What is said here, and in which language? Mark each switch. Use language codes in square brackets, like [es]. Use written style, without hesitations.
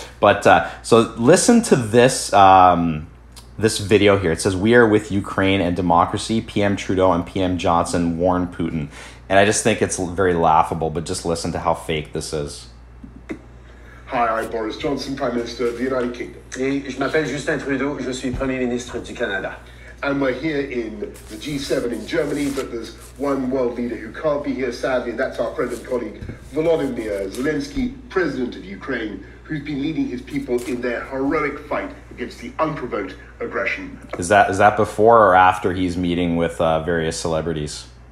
[en] But so listen to this. This video here, it says, "We are with Ukraine and democracy. PM Trudeau and PM Johnson warn Putin." And I just think it's very laughable, but just listen to how fake this is. "Hi, I'm Boris Johnson, Prime Minister of the United Kingdom. [fr] Et je m'appelle Justin Trudeau, je suis Premier ministre du Canada. [en] And we're here in the G7 in Germany, but there's one world leader who can't be here, sadly, and that's our friend and colleague, Volodymyr Zelensky, President of Ukraine, who's been leading his people in their heroic fight against the unprovoked aggression." Is that before or after he's meeting with various celebrities?